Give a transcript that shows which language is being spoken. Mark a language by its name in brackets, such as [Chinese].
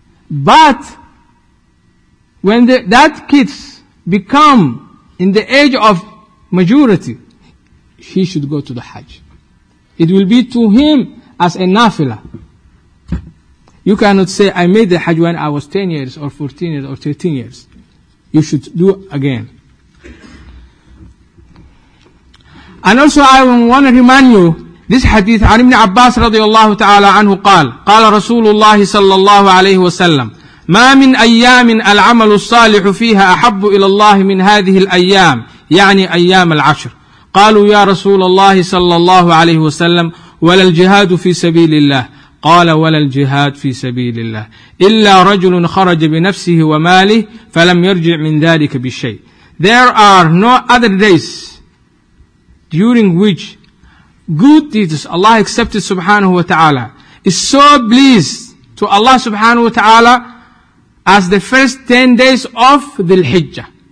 [English] But when that kids become in the age of majority, he should go to the Hajj. It will be to him as a nafila. You cannot say, I made the Hajj when I was 10 years or 14 years or 13 years. You should do again. And also I want to remind you, this hadith, [Arabic] عن ابن عباس رضي الله تعالى عنه قال, قال رسول الله صلى الله عليه وسلم, ما من أيام العمل الصالح فيها أحب إلى الله من هذه الأيام, يعني أيام العشر. قالوا يا رسول الله صلى الله عليه وسلم, ولا الجهاد في سبيل الله. قال ولا الجهاد في سبيل الله إلا رجل خرج بنفسه وماله فلم يرجع من ذلك بشيء. [English] There are no other days during which good deeds Allah accepted subhanahu wa ta'ala is so pleased to Allah subhanahu wa ta'ala as the first 10 days of the Hijjah.